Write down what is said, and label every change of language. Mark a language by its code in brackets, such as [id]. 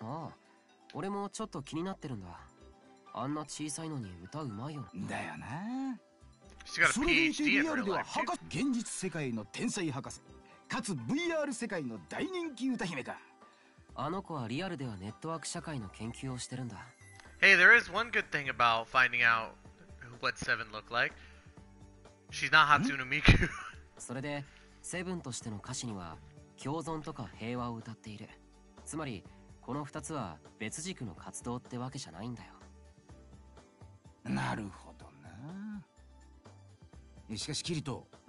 [ja] ああ、俺もちょっと気になってるんだ。あんな小さいのに歌うまいよ。だよな。それでいてリアルでは博士、現実世界の天才博士、かつ VR 世界の大人気歌姫か。あの子はリアルではネットワーク社会の研究をしてるんだ。 [en] Hey, there is one good thing about finding out what Seven looked like. She's not Hatsune Miku. [ja] それでセブンとしての歌詞には共存とか平和を歌っている。つまりこの二つは別軸の活動ってわけじゃないんだよ。なるほどな。しかしキリト、